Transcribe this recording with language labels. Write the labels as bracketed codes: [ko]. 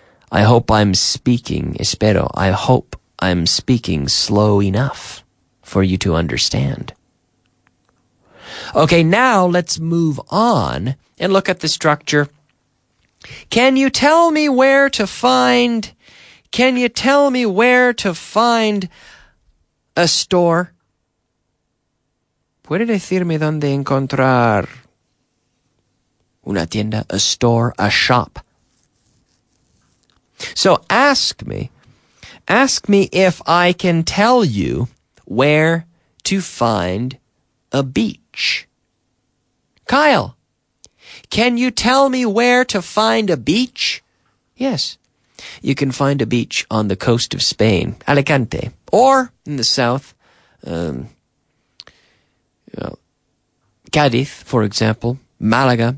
[en] I hope I'm speaking, [es] espero, [en] I hope I'm speaking slow enough for you to understand. Okay, now let's move on and look at the structure. Can you tell me where to find, can you tell me where to find a store? [es] ¿Puede decirme dónde encontrar una tienda, [en] a store, a shop? So ask me if I can tell you where to find a beach. Kyle, can you tell me where to find a beach? Yes, you can find a beach on the coast of Spain, Alicante, or in the south, Cadiz, for example, Malaga.